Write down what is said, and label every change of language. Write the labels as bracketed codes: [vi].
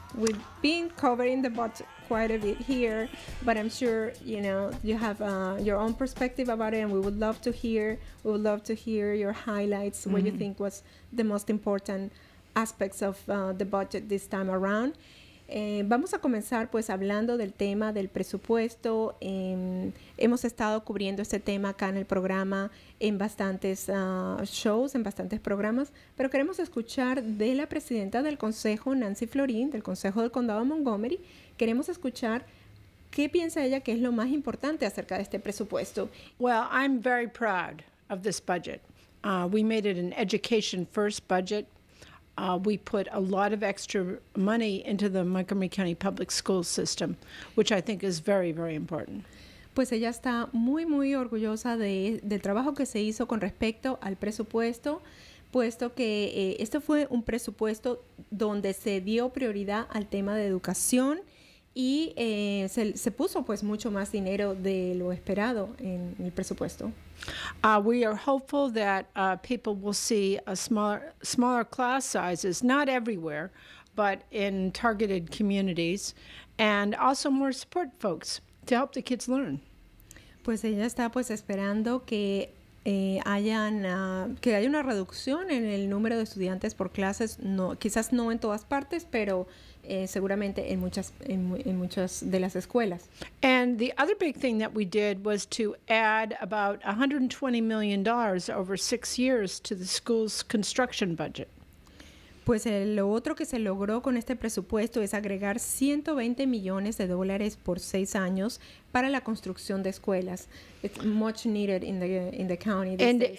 [en] We've been covering the budget quite a bit here, but I'm sure, you know, you have your own perspective about it, and we would love to hear your highlights, mm-hmm. what you think was the most important aspects of the budget this time around. [es] Vamos a comenzar pues hablando del tema del presupuesto. Hemos estado cubriendo este tema acá en el programa en bastantes shows, en bastantes programas, pero queremos escuchar de la presidenta del Consejo, Nancy Florín, del Consejo del Condado de Montgomery. Queremos escuchar qué piensa ella que es lo más importante acerca de este presupuesto. [en] Well, I'm very proud of this budget. We made it an education first budget. We put a lot of extra money into the Montgomery County Public School System, which I think is very, very important. [es] Pues ella está muy, muy orgullosa del trabajo que se hizo con respecto al presupuesto, puesto que esto fue un presupuesto donde se dio prioridad al tema de educación y se puso pues mucho más dinero de lo esperado en el presupuesto. [en] We are hopeful that people will see a smaller class sizes, not everywhere, but in targeted communities, and also more support folks to help the kids learn. [es] Pues ella está pues esperando que haya una reducción en el número de estudiantes por clases, no, quizás no en todas partes, pero seguramente en muchas de las escuelas. [en] And the other big thing that we did was to add about $120 million over 6 years to the school's construction budget. [es] Pues lo otro que se logró con este presupuesto es agregar $120 millones por 6 años para la construcción de escuelas. [en] It's much needed in the county these days.